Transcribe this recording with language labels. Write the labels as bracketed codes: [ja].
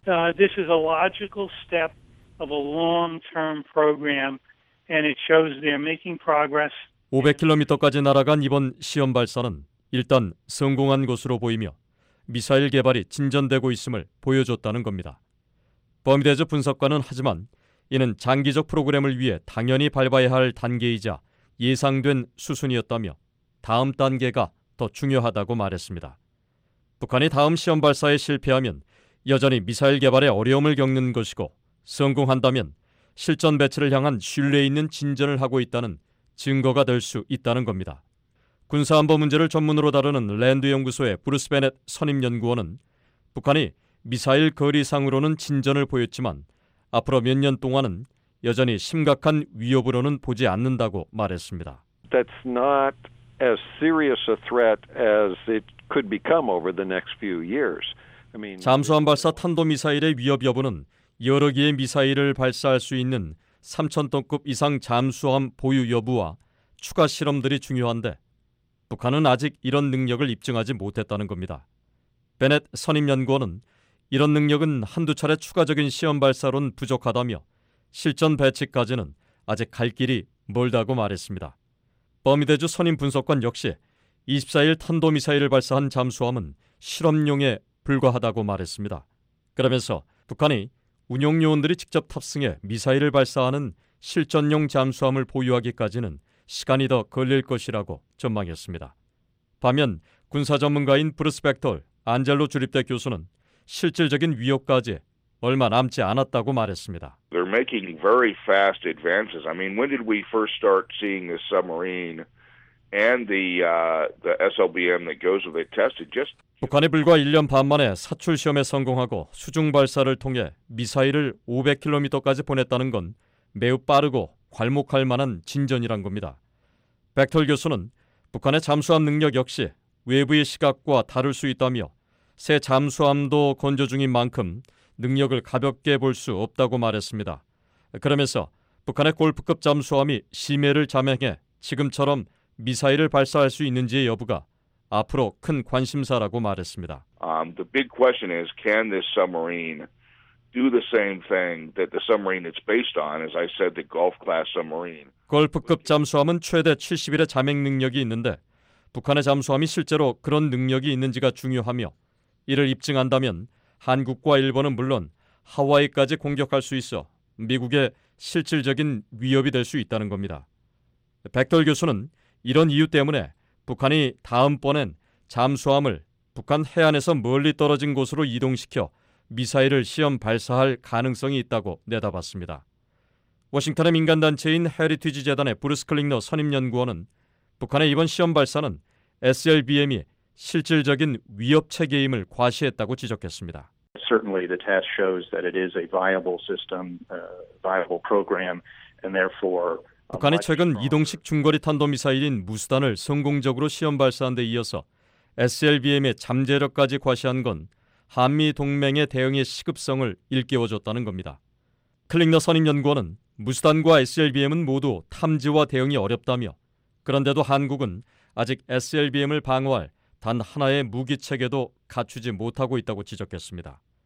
[en] This is a logical step of a long-term program and it shows they are making progress. [ko] 500km까지 날아간 이번 시험 발사는 일단 성공한 것으로 보이며 미사일 개발이 진전되고 있음을 보여줬다는 겁니다. 범대저 분석관은 하지만 이는 장기적 프로그램을 위해 당연히 밟아야 할 단계이자 예상된 수순이었다며 다음 단계가 더 중요하다고 말했습니다. 북한이 다음 시험 발사에 실패하면 여전히 미사일 개발에 어려움을 겪는 것이고 성공한다면 실전 배치를 향한 신뢰 있는 진전을 하고 있다는 증거가 될 수 있다는 겁니다. 군사안보 문제를 전문으로 다루는 랜드연구소의 브루스 베넷 선임연구원은 북한이 미사일 거리상으로는 진전을 보였지만 앞으로 몇 년 동안은 여전히 심각한 위협으로는 보지 않는다고 말했습니다. [en] That's not as serious a threat as it could become over the next few years. [ko] 잠수함 발사 탄도 미사일의 위협 여부는 여러 개의 미사일을 발사할 수 있는 3,000톤급 이상 잠수함 보유 여부와 추가 실험들이 중요한데 북한은 아직 이런 능력을 입증하지 못했다는 겁니다. 베넷 선임 연구원은 이런 능력은 한두 차례 추가적인 시험 발사론 부족하다며 실전 배치까지는 아직 갈 길이 멀다고 말했습니다. 범이대주 선임 분석관 역시 24일 탄도미사일을 발사한 잠수함은 실험용에 불과하다고 말했습니다. 그러면서 북한이 운용요원들이 직접 탑승해 미사일을 발사하는 실전용 잠수함을 보유하기까지는 시간이 더 걸릴 것이라고 전망했습니다. 반면 군사 전문가인 브루스 벡터 안젤로 주립대 교수는 실질적인 위협까지 얼마 남지 않았다고 말했습니다. [en] They're making very fast advances. I mean, when did we first start seeing the submarine and the SLBM that goes with it tested? Just [ko] 북한이 불과 1년 반 만에 사출 시험에 성공하고 수중 발사를 통해 미사일을 500km까지 보냈다는 건 매우 빠르고 괄목할 만한 진전이란 겁니다. 벡터 교수는 북한의 잠수함 능력 역시 외부의 시각과 다를 수 있다며 새 잠수함도 건조 중인 만큼 능력을 가볍게 볼 수 없다고 말했습니다. 그러면서 북한의 골프급 잠수함이 심해를 잠행해 지금처럼 미사일을 발사할 수 있는지의 여부가 앞으로 큰 관심사라고 말했습니다. [en] The big question is, can this submarine do the same thing that the submarine it's based on, as I said, the Gulf class submarine? [ko] 골프급 잠수함은 최대 70일의 잠행 능력이 있는데 북한의 잠수함이 실제로 그런 능력이 있는지가 중요하며 이를 입증한다면 한국과 일본은 물론 하와이까지 공격할 수 있어 미국의 실질적인 위협이 될 수 있다는 겁니다. 백돌 교수는 이런 이유 때문에 북한이 다음번엔 잠수함을 북한 해안에서 멀리 떨어진 곳으로 이동시켜 미사일을 시험 발사할 가능성이 있다고 내다봤습니다. 워싱턴의 민간단체인 헤리티지 재단의 브루스 클링너 선임연구원은 북한의 이번 시험 발사는 SLBM이 실질적인 위협 체계임을 과시했다고 지적했습니다. [en] Certainly the test shows that it is a viable system, viable program, and therefore [ko] 북한이 최근 이동식 중거리 탄도미사일인 무수단을 성공적으로 시험 발사한 데 이어서 SLBM의 잠재력까지 과시한 건 한미 동맹의 대응의 시급성을 일깨워줬다는 겁니다. 클링너 선임연구원은 무수단과 SLBM은 모두 탐지와 대응이 어렵다며 그런데도 한국은 아직 SLBM을 방어할 단 하나의 무기체계도 갖추지 못하고 있다고 지적했습니다.